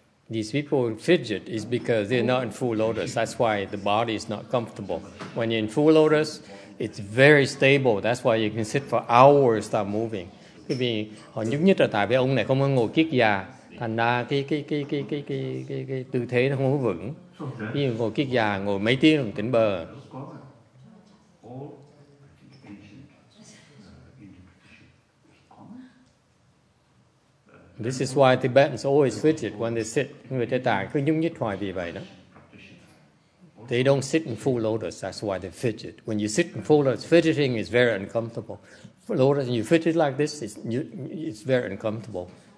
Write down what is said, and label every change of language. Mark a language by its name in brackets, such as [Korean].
[English] These people fidget is because they're not in full lotus. That's why the body is not comfortable. When you're in full lotus, it's very stable. That's why you can sit for hours without moving. [Vietnamese] Bởi vì họ nhúc nhích là tại vì ông này không có ngồi kiết già, thành ra cái tư thế nó không có vững. Ví dụ ngồi kiết già ngồi mấy tiếng rồi tỉnh bờ. [English] This is why Tibetans always fidget when they sit. [Vietnamese] Người Tây Tạng cứ nhúc nhích hoài vì vậy đó. [English] They don't sit in full lotus. That's why they fidget. When you sit in full lotus, fidgeting is very uncomfortable. For lotus, you fidget like this, it's very uncomfortable.